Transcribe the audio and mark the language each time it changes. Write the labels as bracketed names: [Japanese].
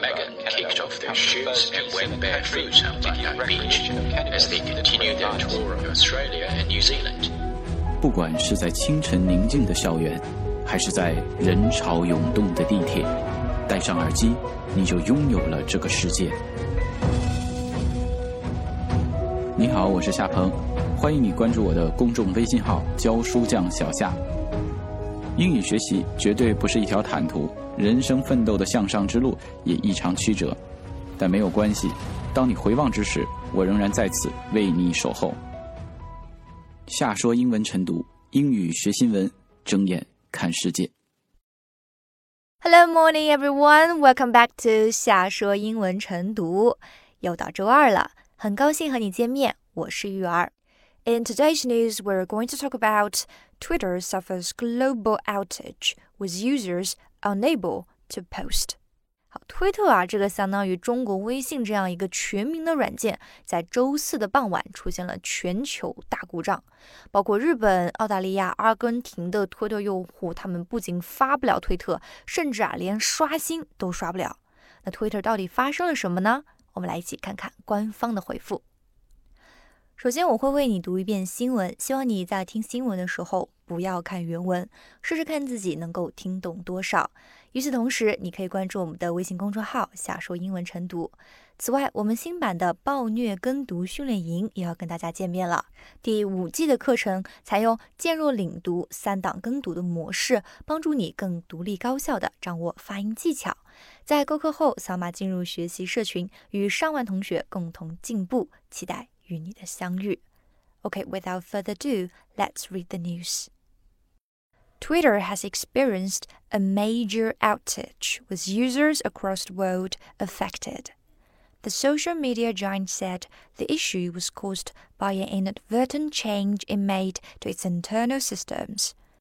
[English] Megan kicked off their shoes and went barefoot on the beach as they continued their tour of Australia and New Zealand. [Chinese] 不管是在清晨宁静的校园，还是在人潮涌动的地铁，戴上耳机，你就拥有了这个世界。你好，我是夏鹏，欢迎你关注我的公众微信号“教书匠小夏”。英语学习绝对不是一条坦途，人生奋斗的向上之路也异常曲折，但没有关系，当你回望之时，我仍然在此为你守候。夏说英文晨读，英语学新闻，睁眼看世界。 [English] Hello, morning, everyone. Welcome back to 夏说英文晨读。 [Chinese] 又到周二了，很高兴和你见面，我是玉儿。 [English] In today's news, we're going to talk about Twitter suffers global outage with users unable to post. [Chinese] 好，推特啊，这个相当于中国微信这样一个全民的软件，在周四的傍晚出现了全球大故障，包括日本、澳大利亚、阿根廷的推特用户，他们不仅发不了推特，甚至啊，连刷新都刷不了。那推特到底发生了什么呢？我们来一起看看官方的回复。首先，我会为你读一遍新闻，希望你在听新闻的时候不要看原文，试试看自己能够听懂多少。与此同时，你可以关注我们的微信公众号“夏说英文晨读”。此外，我们新版的暴虐跟读训练营也要跟大家见面了。第五季的课程采用渐弱领读、三档跟读的模式，帮助你更独立高效地掌握发音技巧。在购课后，扫码进入学习社群，与上万同学共同进步，期待与你的相遇。 [English] Okay, without further ado, let's read the news. Twitter has experienced a major outage with users across the world affected. The social media giant said the issue was caused by an inadvertent change it made to its internal systems.